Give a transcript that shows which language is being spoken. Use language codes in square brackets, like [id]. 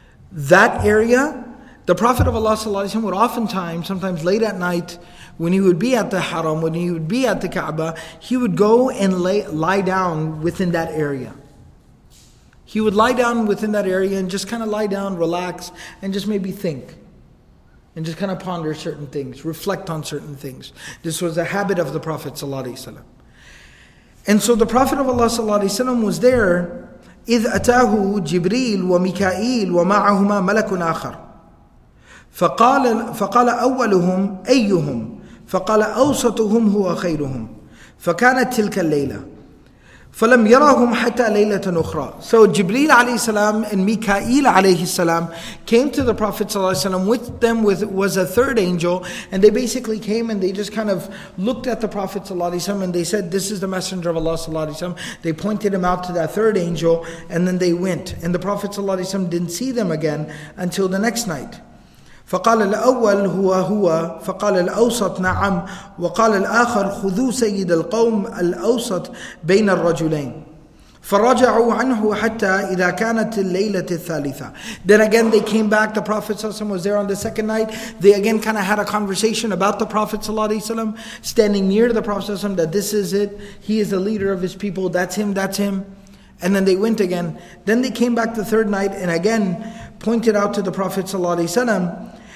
[en] That area, the Prophet of Allah sallallahu alaihi wasallam would oftentimes, sometimes late at night, when he would be at the Haram, when he would be at the Kaaba, he would go and lie down within that area. He would lie down within that area and just kind of lie down, relax, and just maybe think. And just kind of ponder certain things, reflect on certain things. This was a habit of the Prophet sallallahu alaihi wasallam. And so the Prophet of Allah sallallahu alaihi wasallam was there, [ar] إِذْ أَتَاهُ جِبْرِيلُ وَمِكَائِيلُ وَمَعَهُمَا مَلَكٌ آخَرٌ فقال أولهم أيهم فقال أوسطهم هو خيرهم فكانت تلك الليلة فلم يراهم حتى ليلة أخرى. [en] So Jibreel alayhi salam and Mikael alayhi salam came to the Prophet sallallahu alayhi salam with them was a third angel, and they basically came and they just kind of looked at the Prophet sallallahu alayhi salam and they said, this is the Messenger of Allah sallallahu alayhi salam. They pointed him out to that third angel and then they went, and the Prophet sallallahu alayhi salam didn't see them again until the next night. [ar] فقال الأول هو هو فقال الأوسط نعم وقال الآخر خذوا سيد القوم الأوسط بين الرجلين فرجعوا عنه حتى إذا كانت الليلة الثالثة. [en] Then again they came back, the Prophet ﷺ was there on the second night. They again kind of had a conversation about the Prophet ﷺ, standing near the Prophet ﷺ, that this is it, he is the leader of his people, that's him. And then they went again. Then they came back the third night and again pointed out to the Prophet ﷺ.